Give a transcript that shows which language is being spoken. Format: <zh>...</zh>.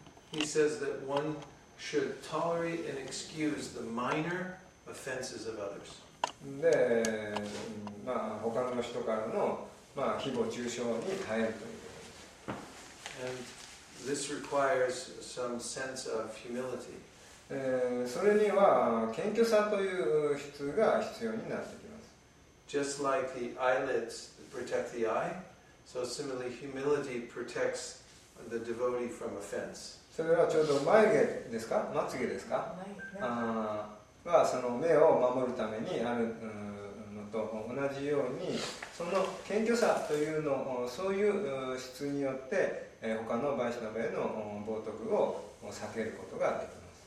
<en>He says that one should tolerate and excuse the minor offenses of others.</en> <ja>で、まあ、他の人からの、まあ、誹謗中傷に耐えるという、</ja> <en>And this requires some sense of humility.</en> <ja>それには謙虚さという質が必要になってきます。</ja> <en>Just like the eyelids protect the eye, so similarly humility protects the devotee from offense.</en> <ja>それはちょうど眉毛ですか？まつ毛ですか？はその目を守るためにあるのと同じように、その謙虚さというのを、そういう質によって他のバイシナバへの冒涜を避けることができます。</ja>